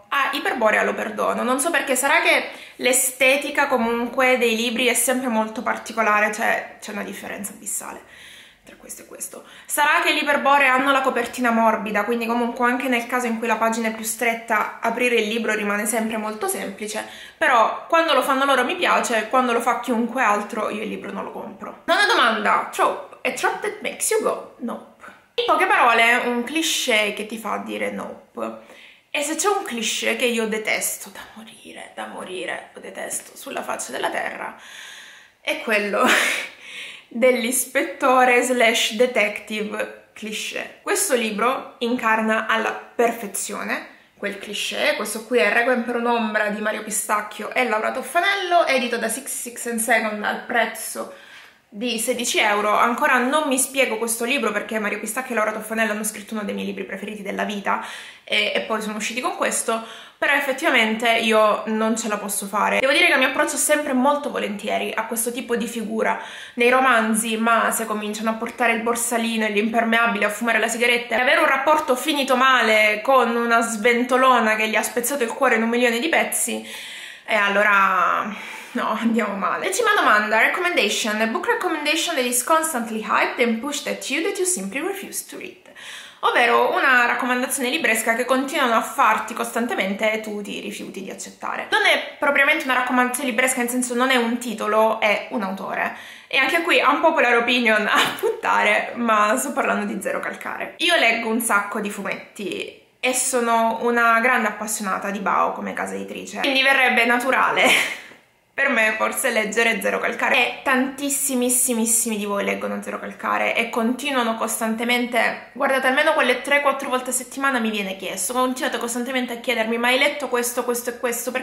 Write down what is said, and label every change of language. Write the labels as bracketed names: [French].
[Italian] A Iperborea lo perdono, non so perché, sarà che l'estetica comunque dei libri è sempre molto particolare, cioè c'è una differenza abissale tra questo e questo. Sarà che gli Iperborea hanno la copertina morbida, quindi comunque anche nel caso in cui la pagina è più stretta, aprire il libro rimane sempre molto semplice, però quando lo fanno loro mi piace, quando lo fa chiunque altro io il libro non lo compro. Nona domanda, [English] trope, a trope that makes you go nope. [Italian] In poche parole, un cliché che ti fa dire nope. E se c'è un cliché che io detesto da morire, lo detesto sulla faccia della terra, è quello dell'ispettore slash detective cliché. Questo libro incarna alla perfezione quel cliché. Questo qui è Requiem per un'ombra di Mario Pistacchio e Laura Toffanello, edito da 66 and Second al prezzo di 16 euro. Ancora non mi spiego questo libro perché Mario Pistacchio e Laura Toffanello hanno scritto uno dei miei libri preferiti della vita e poi sono usciti con questo, però effettivamente io non ce la posso fare. Devo dire che mi approccio sempre molto volentieri a questo tipo di figura nei romanzi, ma se cominciano a portare il borsalino e l'impermeabile, a fumare la sigaretta e avere un rapporto finito male con una sventolona che gli ha spezzato il cuore in un milione di pezzi, allora no, andiamo male. Decima domanda, recommendation. [English] A book recommendation that is constantly hyped and pushed at you that you simply refuse to read. [Italian] Ovvero una raccomandazione libresca che continuano a farti costantemente e tu ti rifiuti di accettare. Non è propriamente una raccomandazione libresca, nel senso non è un titolo, è un autore. E anche qui [English] unpopular opinion [Italian] a buttare, ma sto parlando di Zero Calcare. Io leggo un sacco di fumetti e sono una grande appassionata di Bao come casa editrice, quindi verrebbe naturale per me forse leggere Zero Calcare. E tantissimissimissimi di voi leggono Zero Calcare e continuano costantemente, guardate, almeno quelle 3-4 volte a settimana mi viene chiesto, continuate costantemente a chiedermi: ma hai letto questo, questo e questo?